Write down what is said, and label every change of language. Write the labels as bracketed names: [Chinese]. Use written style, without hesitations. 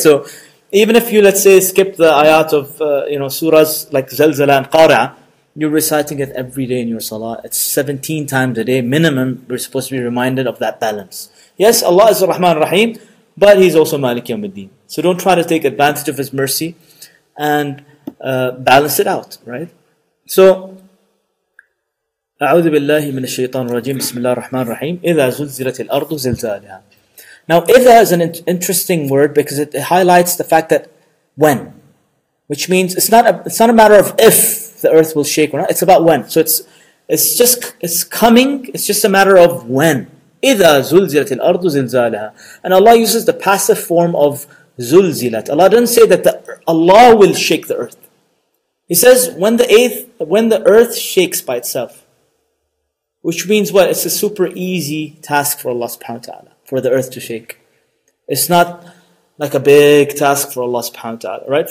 [English] So even if you, let's say, skip the ayat of surahs like Zalzala and Qari'ah, you're reciting it every day in your salah. It's 17 times a day minimum. We're supposed to be reminded of that balance. Yes, Allah is Rahman Rahim, but He's also Malik Yawm al-Din. So don't try to take advantage of His mercy and balance it out, right? So, [Arabic] أعوذ بالله من الشيطان الرجيم بسم الله الرحمن الرحيم إذا زلزلت الأرض زلزالها. [English] Now, إذا is an interesting word because it highlights the fact that when, which means it's not a matter of if the earth will shake or not, it's about when. So it's coming, it's just a matter of when. [Arabic] إذا زلزلت الأرض زلزالها. [English] And Allah uses the passive form of زلزلت. Allah didn't say that Allah will shake the earth. He says when the earth shakes by itself, which means what? It's a super easy task for Allah subhanahu wa ta'ala, for the earth to shake. It's not like a big task for Allah subhanahu wa ta'ala, right?